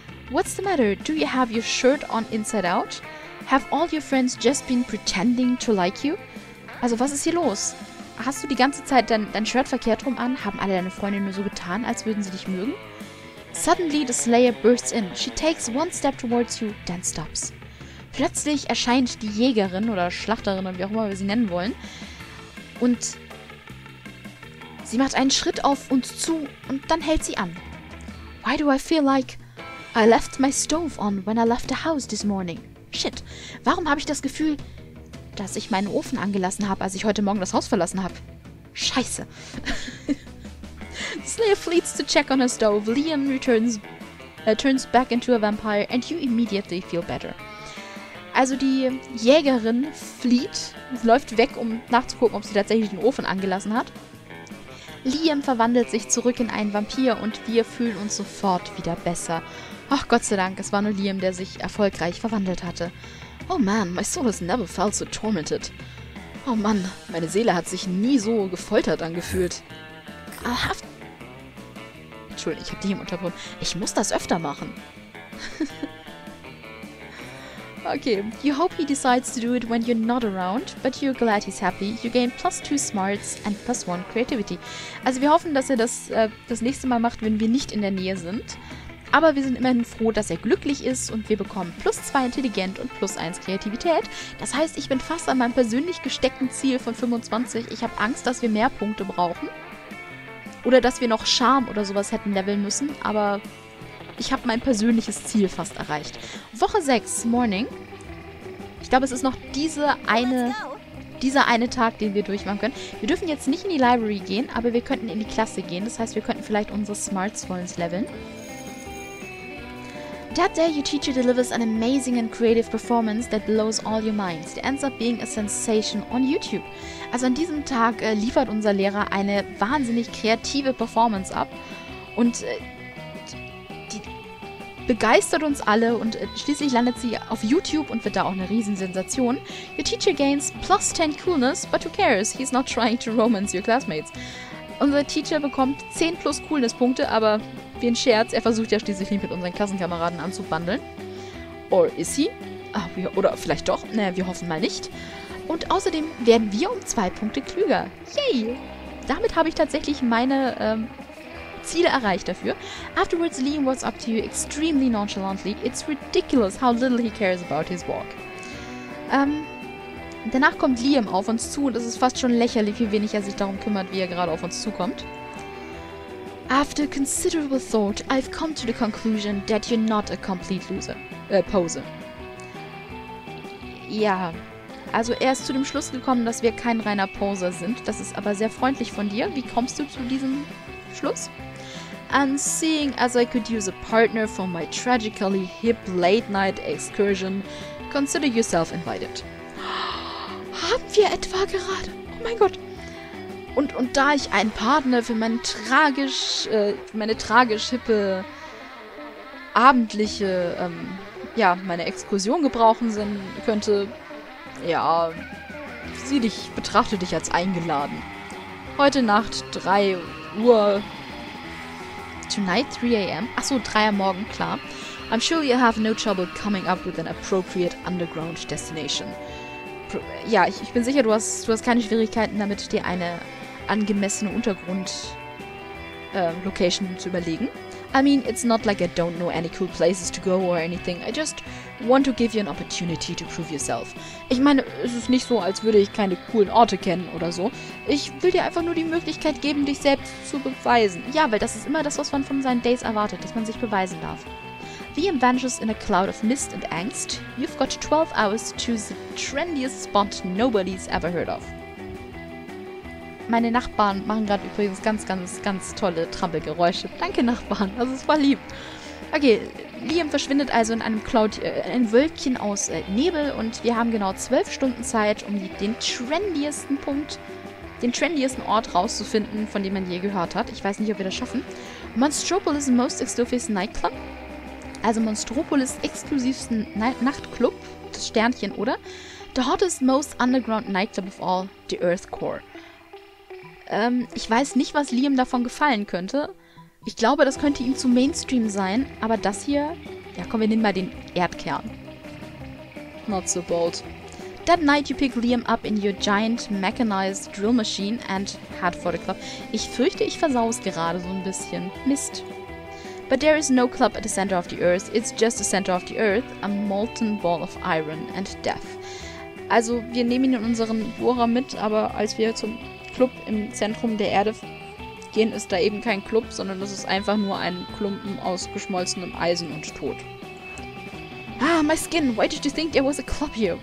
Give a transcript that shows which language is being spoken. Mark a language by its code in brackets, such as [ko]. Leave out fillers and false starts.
[en] What's the matter? Do you have your shirt on inside out? Have all your friends just been pretending to like you? [de] Also, was ist hier los? Hast du die ganze Zeit dein Shirt verkehrt rum an? Haben alle deine Freunde nur so getan, als würden sie dich mögen? [en] Suddenly the Slayer bursts in. She takes one step towards you, then stops. [de] Plötzlich erscheint die Jägerin oder Schlachterin oder wie auch immer wir sie nennen wollen. Und sie macht einen Schritt auf uns zu und dann hält sie an. [en] Why do I feel like I left my stove on when I left the house this morning? [de] Shit, warum habe ich das Gefühl, dass ich meinen Ofen angelassen habe, als ich heute Morgen das Haus verlassen habe? [en] Scheiße. Slayer flees to check on her stove. Liam returns turns back into a vampire and you immediately feel better. [de] Also die Jägerin flieht, läuft weg, um nachzugucken, ob sie tatsächlich den Ofen angelassen hat. Liam verwandelt sich zurück in einen Vampir und wir fühlen uns sofort wieder besser. Ach Gott sei Dank, es war nur Liam, der sich erfolgreich verwandelt hatte. [en] Oh man, my soul has never felt so tormented. [de] Oh man, meine Seele hat sich nie so gefoltert angefühlt. Entschuldigung, ich hab dich im Untergrund. Ich muss das öfter machen. [en] Okay, you hope he decides to do it when you're not around, but you're glad he's happy. You gain +2 smarts and +1 creativity. [de] Also wir hoffen, dass er das das nächste Mal macht, wenn wir nicht in der Nähe sind. Aber wir sind immerhin froh, dass er glücklich ist und wir bekommen +2 intelligent und +1 kreativität. Das heißt, ich bin fast an meinem persönlich gesteckten Ziel von 25. Ich habe Angst, dass wir mehr Punkte brauchen. Oder dass wir noch Charme oder sowas hätten leveln müssen, aber... Ich habe mein persönliches Ziel fast erreicht. Woche 6, Morning. Ich glaube, es ist noch dieser eine Tag, den wir durchmachen können. Wir dürfen jetzt nicht in die Library gehen, aber wir könnten in die Klasse gehen. Das heißt, wir könnten vielleicht unsere Smarts vor uns leveln. [en] That day your teacher delivers an amazing and creative performance that blows all your minds. It ends up being a sensation on YouTube. [de] Also an diesem Tag liefert unser Lehrer eine wahnsinnig kreative Performance ab. Und... begeistert uns alle und schließlich landet sie auf YouTube und wird da auch eine Riesensensation. [en] Your teacher gains +10 coolness, but who cares? He's not trying to romance your classmates. [de] Unser Teacher bekommt 10+ coolness-Punkte, aber wie ein Scherz, er versucht ja schließlich nicht mit unseren Klassenkameraden anzubandeln. [en] Or is he? [de] Ach, oder vielleicht doch? Naja, wir hoffen mal nicht. Und außerdem werden wir um 2 Punkte klüger. Yay! Damit habe ich tatsächlich meine... Ziele erreicht dafür. [en] Afterwards, Liam walks up to you extremely nonchalantly. It's ridiculous how little he cares about his walk. [de] Danach kommt Liam auf uns zu und es ist fast schon lächerlich, wie wenig er sich darum kümmert, wie er gerade auf uns zukommt. [en] After considerable thought, I've come to the conclusion that you're not a complete loser. Poser. [de] Ja. Also er ist zu dem Schluss gekommen, dass wir kein reiner Poser sind. Das ist aber sehr freundlich von dir. Wie kommst du zu diesem Schluss? [en] And seeing as I could use a partner for my tragically hip late-night excursion, consider yourself invited. [de] Haben wir etwa gerade? Oh mein Gott. Und da ich einen Partner für meine tragisch hippe abendliche, meine Exkursion gebrauchen könnte, ja, betrachte dich als eingeladen. Heute Nacht, 3 Uhr... [en] Tonight, 3 a.m. [de] Achso, 3 am Morgen, klar. [en] I'm sure you'll have no trouble coming up with an appropriate underground destination. [de] Ich bin sicher, du hast keine Schwierigkeiten damit, dir eine angemessene Untergrund-Location zu überlegen. [en] I mean, it's not like I don't know any cool places to go or anything. I just want to give you an opportunity to prove yourself. [de] Ich meine, es ist nicht so, als würde ich keine coolen Orte kennen oder so. Ich will dir einfach nur die Möglichkeit geben, dich selbst zu beweisen. Ja, weil das ist immer das, was man von seinen Dates erwartet, dass man sich beweisen darf. [en] Liam vanishes in a cloud of mist and angst. You've got 12 hours to choose the trendiest spot nobody's ever heard of. [de] Meine Nachbarn machen gerade übrigens ganz, ganz, ganz tolle Trampelgeräusche. Danke, Nachbarn. Das ist voll lieb. Okay, Liam verschwindet also in einem Cloud, ein Wölkchen aus Nebel und wir haben genau 12 Stunden Zeit, um den trendiesten Ort rauszufinden, von dem man je gehört hat. Ich weiß nicht, ob wir das schaffen. [en] Monstropolis Most Exclusive Nightclub. [de] Also Monstropolis exklusivsten Nachtclub. Das Sternchen, oder? [en] The hottest most underground nightclub of all, the Earth Core. [de] Ich weiß nicht, was Liam davon gefallen könnte. Ich glaube, das könnte ihm zu Mainstream sein, aber das hier... Ja, komm, wir nehmen mal den Erdkern. [en] Not so bold. That night you pick Liam up in your giant mechanized drill machine and head for the club. [de] Ich fürchte, ich versau's gerade so ein bisschen. Mist. [en] But there is no club at the center of the earth. It's just the center of the earth. A molten ball of iron and death. [de] Also, wir nehmen ihn in unseren Bohrer mit, aber als wir zum Club im Zentrum der Erde gehen, ist da eben kein Club, sondern das ist einfach nur ein Klumpen aus geschmolzenem Eisen und Tod. [en] Ah, my skin, why did you think there was a club here?